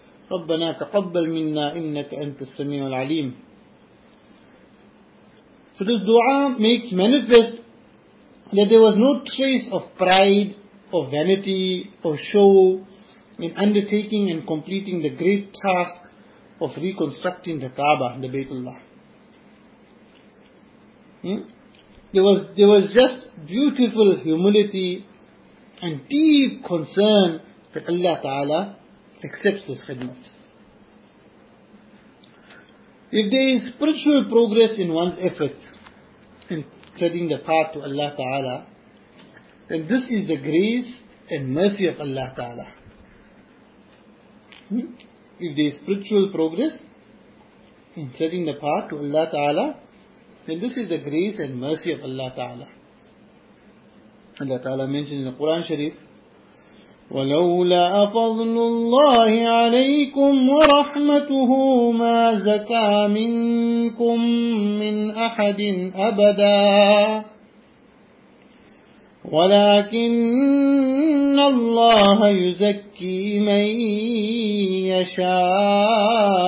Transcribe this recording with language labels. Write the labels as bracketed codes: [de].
[ar] ربنا تقبل منا إنك أنت السميع العليم. [en] So this dua makes manifest that there was no trace of pride, of vanity, of show in undertaking and completing the great task of reconstructing the Kaaba, the Baytullah. There was just beautiful humility and deep concern that Allah Ta'ala accepts this khidmat. If there is spiritual progress in one's efforts in treading the path to Allah Ta'ala, then this is the grace and mercy of Allah Ta'ala. If there is spiritual progress in treading the path to Allah Ta'ala, then this is the grace and mercy of Allah Ta'ala. Allah Ta'ala mentions in the Quran Sharif, [ar] وَلَوْلَا أَفَضْلُ اللَّهِ عَلَيْكُمْ وَرَحْمَتُهُ مَا زَكَى مِنْكُمْ مِنْ أَحَدٍ أَبَدًا وَلَكِنَّ اللَّهَ يُزَكِّي مَنْ يَشَاءُ.